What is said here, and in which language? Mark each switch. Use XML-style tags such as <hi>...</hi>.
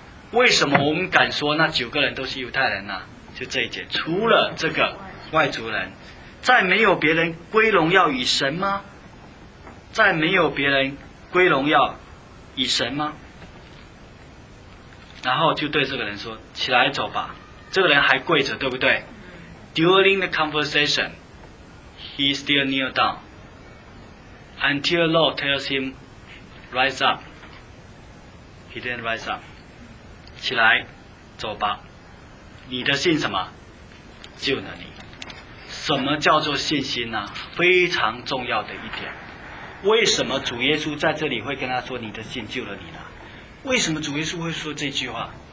<zh>为什么我们敢说那九个人都是犹太人呢？就这一节，除了这个外族人，再没有别人归荣耀与神吗？再没有别人归荣耀与神吗？然后就对这个人说：“起来走吧。” 这个人还跪着，对不对</zh> <en>？During the conversation, he still kneel down until the Lord tells him rise up. He didn't rise up.</en> <zh>起来走吧，你的信什么救了你。什么叫做信心呢？非常重要的一点。为什么主耶稣在这里会跟他说你的信救了你呢？为什么主耶稣会说这句话？</zh>